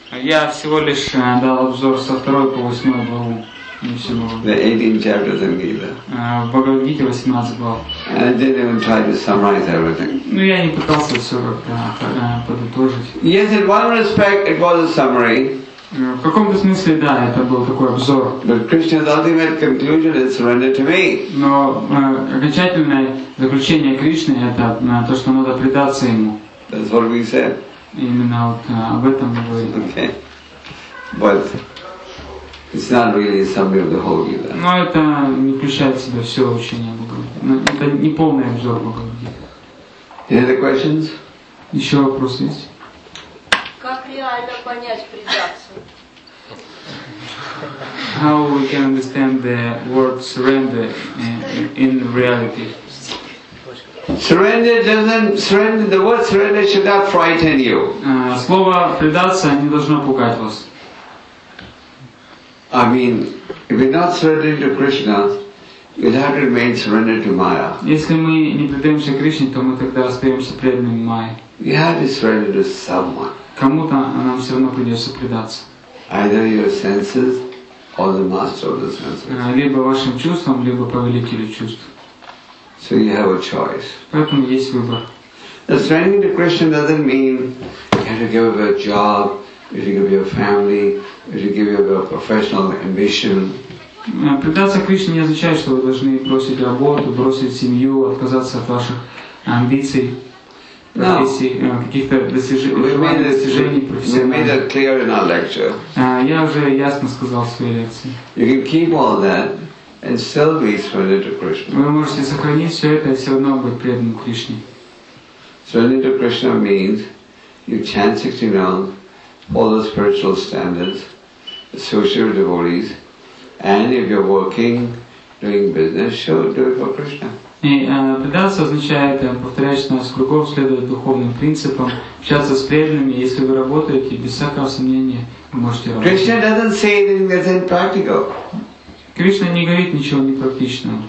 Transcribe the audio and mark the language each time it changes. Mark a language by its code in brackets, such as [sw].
[ru] Я всего лишь дал обзор со второй по восьмой главу. [en] The 18 chapters in Gita. [ru] В Бхагавад-гите 18 глав. [en] I didn't even try to summarize everything. [ru] Ну, я не пытался все подытожить. [en] Yes, in one respect it was a summary. [ru] В каком-то смысле, да, это был такой обзор. [en] But Krishna's ultimate conclusion is surrender to me. [ru] Но окончательное заключение Кришны — это то, что надо предаться Ему. [en] That's what we said. [ru] Именно вот об этом мы говорим. [en] Okay. But it's not really a summary of the whole Gita. [ru] Но это не включает в себя все учение Бхагавад-гиты. Это не полный обзор Бхагавад-гиты. [en] Any other questions? [ru] Еще вопросы есть? Как реально понять предаться? [en] How we can understand the word surrender in reality? Surrender doesn't surrender. The word surrender should not frighten you. [ru] Слово предаться не должно пугать вас. [en] I mean, if we're not surrendering to Krishna, we'll have to remain surrendered to Maya. [ru] Если мы не предаемся Кришне, то мы тогда остаемся преданными Майе. [en] We have to surrender to someone. [ru] Кому-то нам все равно придется предаться. [en] Either your senses or the master of the senses. [ru] Либо вашим чувствам, либо повелителю чувств. [en] So you have a choice. [ru] Поэтому есть выбор. [en] The surrendering to Krishna doesn't mean you have to give up your job, you have to give up your family, you have to give up your professional ambition. [ru] Предаться Кришне не означает, что вы должны бросить работу, бросить семью, отказаться от ваших амбиций, каких-то достижений профессиональных. Я уже ясно сказал в своей лекции. [en] You can keep all that and still be surrendered to Krishna. [ru] Вы можете сохранить все это и все равно быть преданным Кришне. [en] Surrendered to Krishna means you chant 16 rounds, follow spiritual standards, associate with devotees, and if you're working, doing business, sure, do it for Krishna. [ru] И предаться означает повторять 16 кругов, следовать духовным принципам, общаться с преданными. Если вы работаете, без всякого сомнения, вы можете работать. [en] Krishna doesn't say anything that's impractical. [ru] Кришна не говорит ничего непрактичного.